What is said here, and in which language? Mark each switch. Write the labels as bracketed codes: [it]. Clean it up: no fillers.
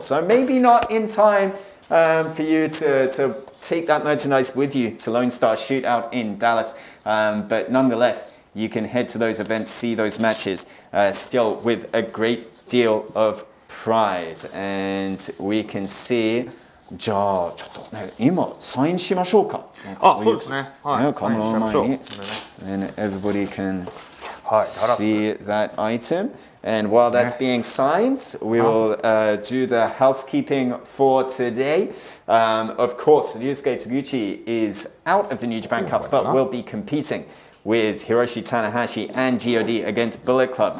[en] So maybe not in time for you to take that merchandise with you to Lone Star Shootout in Dallas. But nonetheless, you can head to those events, see those matches, still with a great deal of pride. And we can see... [ja] じゃあ、ちょっとね、今、サインしましょうか? あ、そうですね。はい。サインしましょう。 [en] And everybody can... see that item, and while that's being signed, we will do the housekeeping for today. Of course, Ryusuke Taguchi is out of the New Japan Cup, but will be competing with Hiroshi Tanahashi and G.O.D. against Bullet Club.